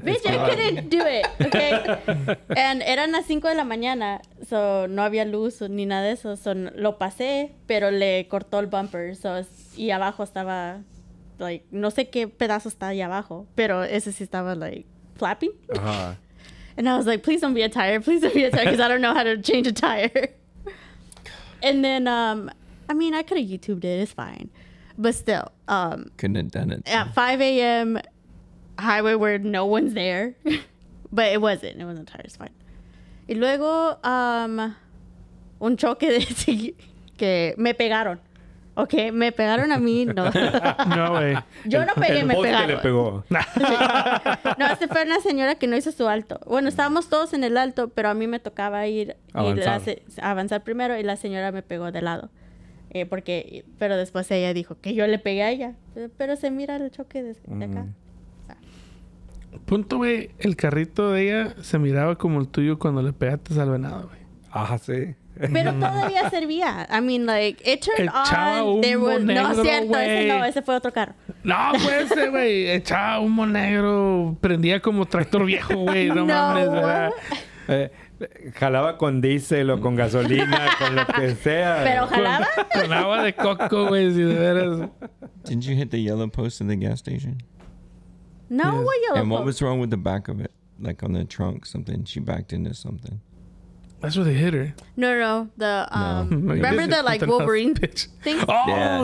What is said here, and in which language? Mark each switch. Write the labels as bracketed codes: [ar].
[en] Bitch, I couldn't do it, okay? [es] And eran las 5 de la mañana, so no había luz ni nada de eso, so lo pasé, pero le cortó el bumper, so, y abajo estaba, like, no sé qué pedazo está ahí abajo, pero ese sí estaba, like, flapping. [en] And I was like, please don't be a tire, please don't be a tire, because I don't know how to change a tire. And then, I mean, I could have YouTubed it, it's fine. But still. Couldn't have done it. At 5 a.m., highway where no one's there. But it wasn't a tire, it's fine. [es] Y luego, un choque de que me pegaron. Okay, me pegaron a mí, no. No, güey. Yo no pegué, me pegaron. El bote le pegó. No, este fue una señora que no hizo su alto. Bueno, estábamos todos en el alto, pero a mí me tocaba ir... Avanzar primero, y la señora me pegó de lado. Porque... Pero después ella dijo que yo le pegué a ella. Pero se mira el choque de acá. Punto, güey. El carrito de ella se miraba como el tuyo cuando le pegaste al venado, güey. Ah, sí. Pero todavía servía. [en] I mean, like, it turned [es] echaba [en] on. [es] Humo [en] there was, [es] negro, no, cierto, wey. Ese fue otro carro. No, fue ese, güey. Echaba humo negro. Prendía como tractor viejo, güey. No, no mames, ¿verdad? Jalaba con diésel o con gasolina, con lo que sea. Pero jalaba. Con agua de coco, güey, si de veras. [en] Didn't you hit the yellow post in the gas station? No, yes. What yellow post? And what was wrong with the back of it? Like on the trunk, something. She backed into something. That's where they hit her. No, no, the no. Remember the like Wolverine pitch thing? Oh yeah.